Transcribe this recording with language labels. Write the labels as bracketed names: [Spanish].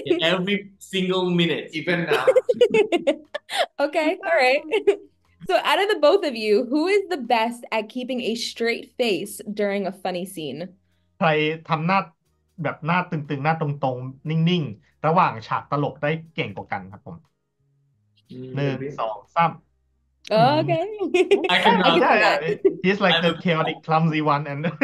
[English] Every single minute, even now. Okay, all right. So out of the both of you, who is the best at keeping a straight face during a funny scene? [Thai] ใครทำหน้าแบบหน้าตึงๆหน้าตรงๆนิ่งๆระหว่างฉากตลกได้เก่งกว่ากันครับผม1 2 3 [English] Okay. I can know. He's like the chaotic clumsy one and